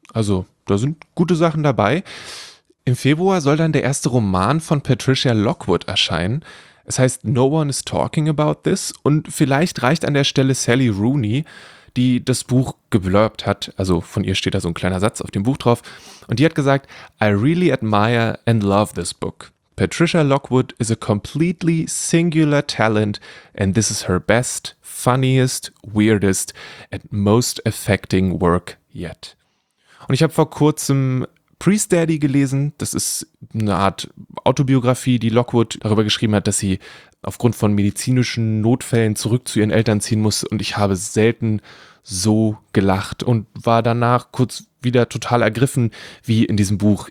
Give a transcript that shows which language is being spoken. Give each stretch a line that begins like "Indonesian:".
German: Also, da sind gute Sachen dabei. Im Februar soll dann der erste Roman von Patricia Lockwood erscheinen. Es heißt No One Is Talking About This und vielleicht reicht an der Stelle Sally Rooney, die das Buch geblurbt hat, also von ihr steht da so ein kleiner Satz auf dem Buch drauf, und die hat gesagt:
English: I really admire and love this book. Patricia Lockwood is a completely singular talent and this is her best, funniest, weirdest and most affecting work yet.
German: Und ich habe vor kurzem Priest Daddy gelesen. Das ist eine Art Autobiografie, die Lockwood darüber geschrieben hat, dass sie aufgrund von medizinischen Notfällen zurück zu ihren Eltern ziehen muss. Und ich habe selten so gelacht und war danach kurz wieder total ergriffen, wie in diesem Buch.